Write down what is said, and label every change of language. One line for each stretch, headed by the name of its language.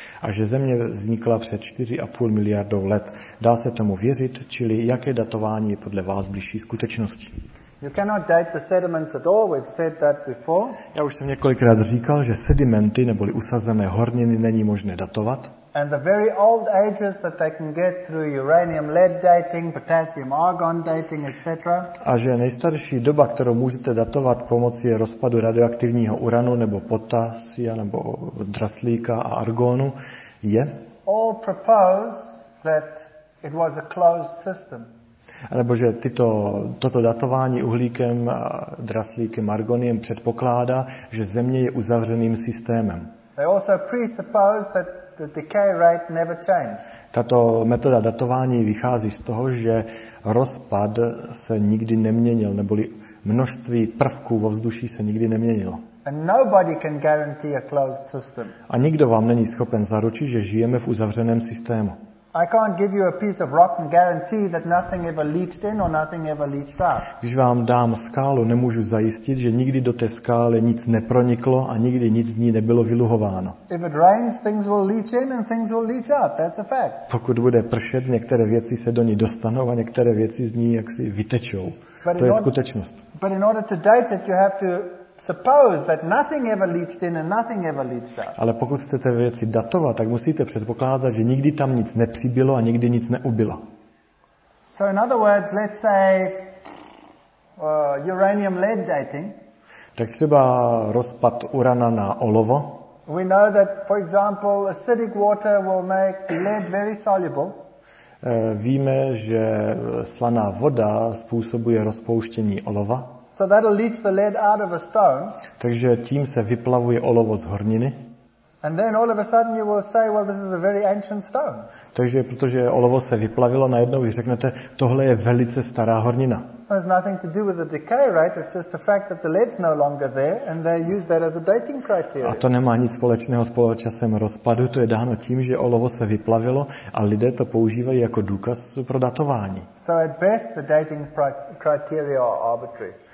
Czech: a že Země vznikla před 4,5 miliardou let. Dá se tomu věřit, čili jaké datování je podle vás bližší skutečnosti?
English: You cannot date the sediments at all. We've said that before.
Czech: Já už jsem několikrát říkal, že sedimenty neboli usazené horniny není možné datovat.
English: And the very old ages that they can get through uranium lead dating, potassium argon dating, etc.
Czech: A že nejstarší doba, kterou můžete datovat pomocí rozpadu radioaktivního uranu nebo potasia nebo draslíka a argonu, je?
English: All propose that it was a closed system.
Czech: Alebo že toto datování uhlíkem, draslíkem, argoniem předpokládá, že Země je uzavřeným systémem.
English: They also presuppose that the decay rate never changed.
Czech: Tato metoda datování vychází z toho, že rozpad se nikdy neměnil, neboli množství prvků vo vzduchu se nikdy neměnilo.
English: And nobody can guarantee a closed system.
Czech: A nikdo vám není schopen zaručit, že žijeme v uzavřeném systému.
English: I can't give you a piece of rock and guarantee that nothing ever leached in or nothing ever leached out.
Czech: Když vám dám skálu, nemůžu zajistit, že nikdy do té skály nic neproniklo a nikdy nic z ní nebylo vyluhováno.
English: If it rains, things will leach in and things will leach out. That's a fact.
Czech: Pokud bude pršet, některé věci se do ní dostanou a některé věci z ní jaksi vytečou. To je skutečnost.
English: But in order to date it, you have to suppose that nothing ever leached in and nothing ever leached out.
Czech: Ale pokud chcete věci datovat, tak musíte předpokládat, že nikdy tam nic nepřibylo a nikdy nic neubylo.
English: So in other words, let's say uranium lead dating.
Czech: Tak třeba rozpad urana na olovo.
English: We know that, for example, acidic water will make lead very soluble.
Czech: Víme, že slaná voda způsobuje rozpouštění olova.
English: So that'll leach the lead out of a stone.
Czech: Takže tím se vyplavuje olovo z horniny.
English: And then all of a sudden you will say, well, this is a very ancient stone.
Czech: Takže protože olovo se vyplavilo, najednou vy řeknete, tohle je velice stará hornina.
English: Has nothing to do with the decay rate. It's just the fact that the lead's no longer there, and they use that as a dating criteria.
Czech: A to nemá nic společného s časem rozpadu. To je dáno tím, že olovo se vyplavilo, a lidé to používají jako důkaz pro datování.
English: So at best, the dating criteria are arbitrary.